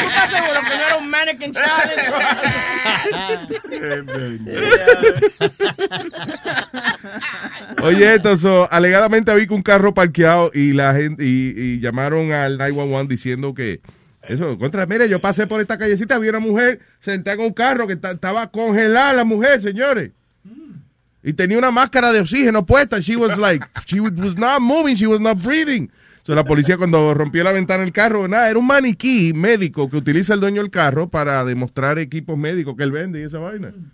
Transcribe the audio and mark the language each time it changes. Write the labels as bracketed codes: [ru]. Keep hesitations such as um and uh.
[es] Oye, entonces, so, alegadamente había un carro parqueado y la gente y, y llamaron al 911 diciendo que eso, contra, mire, yo pasé por esta callecita, vi una mujer sentada en un carro que estaba congelada la mujer, señores. Y tenía una máscara de oxígeno puesta. [en] She was like, she was not moving, she was not breathing. [es] So, la policía cuando rompió la ventana del carro, nada, era un maniquí médico que utiliza el dueño del carro para demostrar equipos médicos que él vende y esa vaina.